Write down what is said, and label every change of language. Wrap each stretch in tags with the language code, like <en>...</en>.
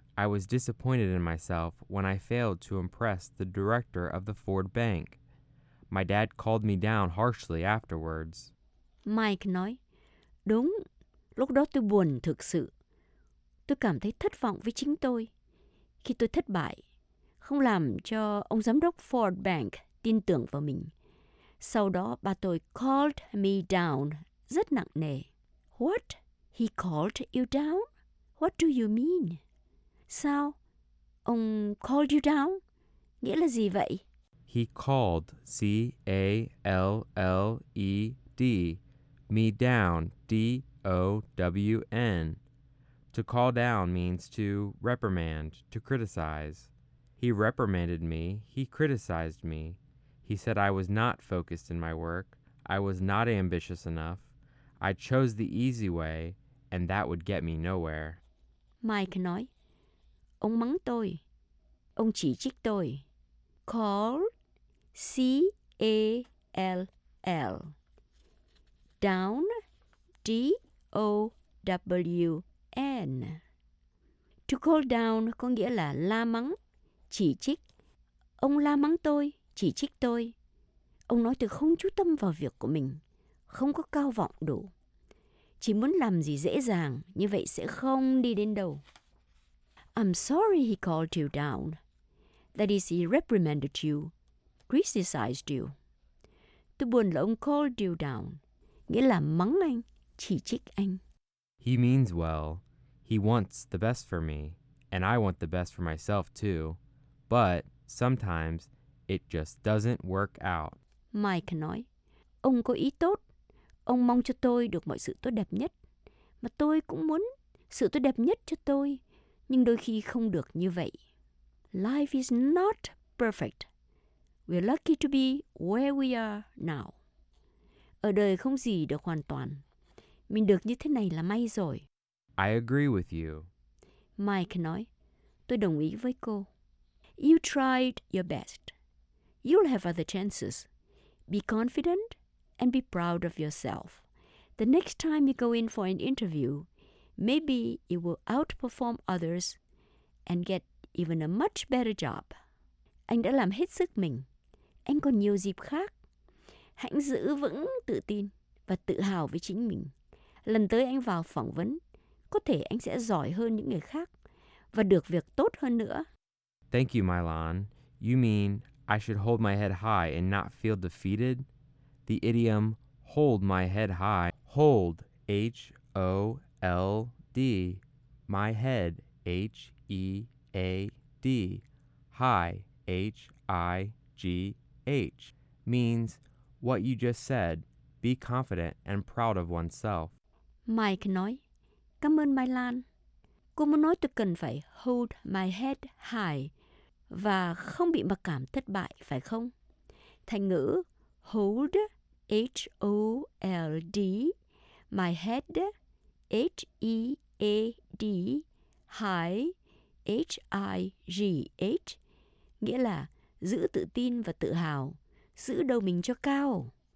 <en>I was disappointed in myself when I failed to impress the director of the Ford Bank. My dad called me down harshly afterwards.</en> <vi>Mike nói, đúng, lúc đó tôi buồn thực sự. Tôi cảm thấy thất vọng với chính tôi. Khi tôi thất bại, không làm cho ông giám đốc Ford Bank tin tưởng vào mình. Sau đó, ba tôi</vi> <en>called me down</en> <vi>rất nặng nề.</vi> <en>What? He called you down? What do you mean?</en> <vi>Sao? Ông</vi> <en>called you down?</en> <vi>Nghĩa là gì vậy?</vi> <en>He called, C-A-L-L-E-D, me down, D-O-W-N. To call down means to reprimand, to criticize. He reprimanded me, he criticized me. He said I was not focused in my work, I was not ambitious enough, I chose the easy way, and that would get me nowhere.</en> <vi>Mike nói, ông mắng tôi, ông chỉ trích tôi.</vi> <en>Call, C-A-L-L. Down, D-O-W-N. To call down</en> <vi>có nghĩa là la mắng, chỉ trích. Ông la mắng tôi, chỉ trích tôi. Ông nói tôi không chú tâm vào việc của mình, không có cao vọng đủ. Chỉ muốn làm gì dễ dàng, như vậy sẽ không đi đến đâu.</vi> <en>I'm sorry he called you down. That is, he reprimanded you, criticized you.</en> <vi>Tôi buồn là ông</vi> <en>called you down.</en> <vi>Nghĩa là mắng anh, chỉ trích anh.</vi> <en>He means well. He wants the best for me. And I want the best for myself too. But sometimes It just doesn't work out.</en> <vi>Mike nói, ông có ý tốt. Ông mong cho tôi được mọi sự tốt đẹp nhất. Mà tôi cũng muốn sự tốt đẹp nhất cho tôi. Nhưng đôi khi không được như vậy.</vi> <en>Life is not perfect. We're lucky to be where we are now.</en> <vi>Ở đời không gì được hoàn toàn. Mình được như thế này là may rồi.</vi> <en>I agree with you.</en> <vi>Mike nói, tôi đồng ý với cô.</vi> <en>You tried your best. You'll have other chances. Be confident and be proud of yourself. The next time you go in for an interview, maybe you will outperform others and get even a much better job.</en> <vi>Anh đã làm hết sức mình. Anh còn nhiều dịp khác. Hãy giữ vững tự tin và tự hào với chính mình. Lần tới anh vào phỏng vấn, có thể anh sẽ giỏi hơn những người khác và được việc tốt hơn nữa.</vi> <en>Thank you, Mylon. You mean I should hold my head high and not feel defeated? The idiom, hold my head high, hold, H-O-L-D, my head, H-E-A-D, high, H-I-G-H, means what you just said, be confident and proud of oneself.</en> <vi>Mike nói, cảm ơn Mylon. Cô muốn nói tôi cần phải</vi> <en>hold my head high</en> <vi>và không bị mặc cảm thất bại, phải không? Thành ngữ</vi> <en>hold, H-O-L-D, my head, H-E-A-D, high, H-I-G-H,</en> <vi>nghĩa là giữ tự tin và tự hào, giữ đầu mình cho cao.</vi>